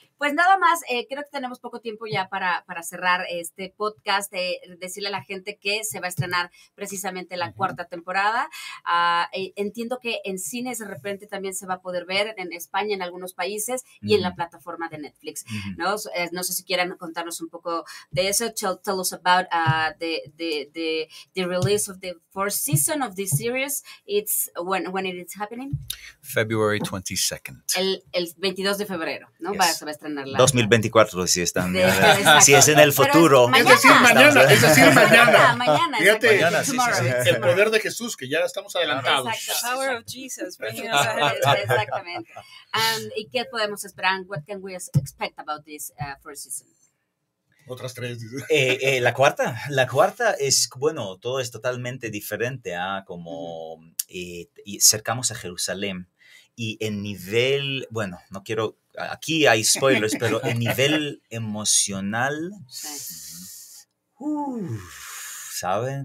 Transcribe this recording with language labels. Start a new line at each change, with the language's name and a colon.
Spanish: Pues nada más, creo que tenemos poco tiempo ya para cerrar este podcast, decirle a la gente que se va a estrenar precisamente la, uh-huh, cuarta temporada. Entiendo que en cines de repente también se va a poder ver en España, en algunos países, uh-huh, y en la plataforma de Netflix. Uh-huh. ¿No? No sé si quieran contarnos un poco de eso.
English: Tell us about the release of the fourth season of this series. It's when it is happening? February 22nd.
Spanish: El 22 de febrero, ¿no?
English: Yes.
Spanish: Para saber. 2024, si están. Si es en el futuro. Es decir, mañana. Es decir, mañana. Fíjate, el poder de Jesús, que ya estamos adelantados. Exacto.
English: The power of Jesus.
Spanish: Exactamente. ¿Y qué podemos esperar?
English: What can we expect about this first season?
Spanish: Otras tres. La cuarta es, todo es totalmente diferente a como cercamos a Jerusalén. Y en nivel, no quiero, aquí hay spoilers, pero en nivel emocional, ¿saben?